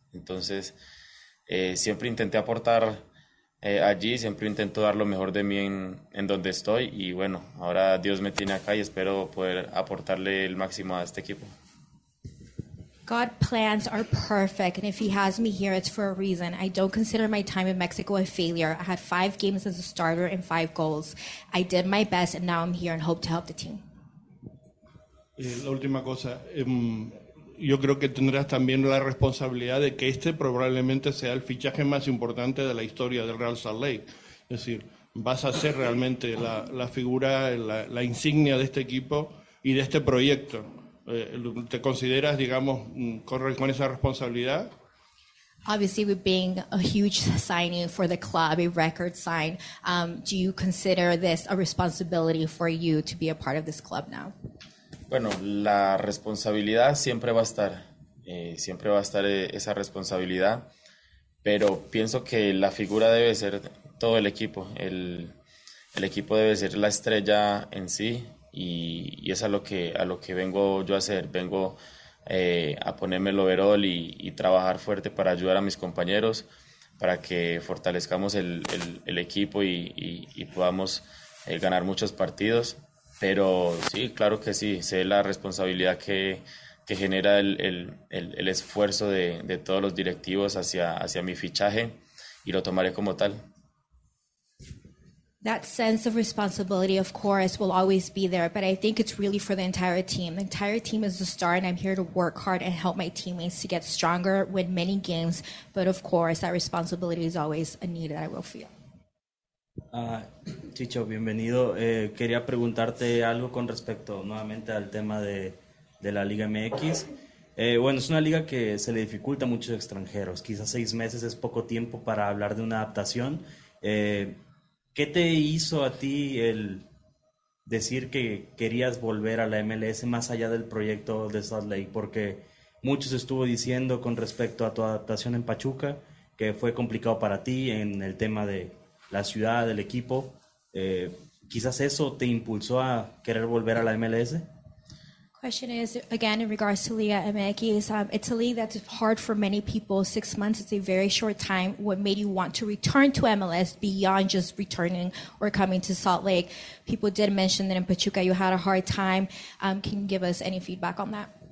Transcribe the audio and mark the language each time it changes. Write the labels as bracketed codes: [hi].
[es] Entonces, siempre intenté aportar allí, siempre intento dar lo mejor de mí en donde estoy. Y bueno, ahora Dios me tiene acá y espero poder aportarle el máximo a este equipo. [en] God's plans are perfect, and if he has me here, it's for a reason. I don't consider my time in Mexico a failure. I had 5 games as a starter and 5 goals. I did my best, and now I'm here and hope to help the team. [es] La última cosa, yo creo que tendrás también la responsabilidad de que este probablemente sea el fichaje más importante de la historia del Real Salt Lake. Es decir, vas a ser realmente la figura, la insignia de este equipo y de este proyecto. ¿Te consideras, digamos, correr con esa responsabilidad? [en] Obviously, with being a huge signing for the club, a record sign, do you consider this a responsibility for you to be a part of this club now? [es] Bueno, la responsabilidad siempre va a estar. Siempre va a estar esa responsabilidad. Pero pienso que la figura debe ser todo el equipo. El equipo debe ser la estrella en sí. Y es a lo que vengo yo a hacer. Vengo a ponerme el overall y trabajar fuerte para ayudar a mis compañeros, para que fortalezcamos el equipo y podamos ganar muchos partidos. Pero sí, claro que sí, sé la responsabilidad que genera el esfuerzo de todos los directivos hacia mi fichaje y lo tomaré como tal. [en] That sense of responsibility, of course, will always be there, but I think it's really for the entire team. The entire team is the star, and I'm here to work hard and help my teammates to get stronger, win many games, but of course, that responsibility is always a need that I will feel. [es] Chicho, bienvenido. Quería preguntarte algo con respecto nuevamente al tema de la Liga MX. Bueno, es una liga que se le dificulta a muchos extranjeros. Quizás 6 meses es poco tiempo para hablar de una adaptación. ¿Qué te hizo a ti el decir que querías volver a la MLS más allá del proyecto de Salt Lake? Porque muchos estuvo diciendo con respecto a tu adaptación en Pachuca que fue complicado para ti en el tema de la ciudad, del equipo. ¿Quizás eso te impulsó a querer volver a la MLS? [en] Question is, again, in regards to Liga MX, it's a league that's hard for many people. 6 months is a very short time. What made you want to return to MLS beyond just returning or coming to Salt Lake? People did mention that in Pachuca you had a hard time. Can you give us any feedback on that?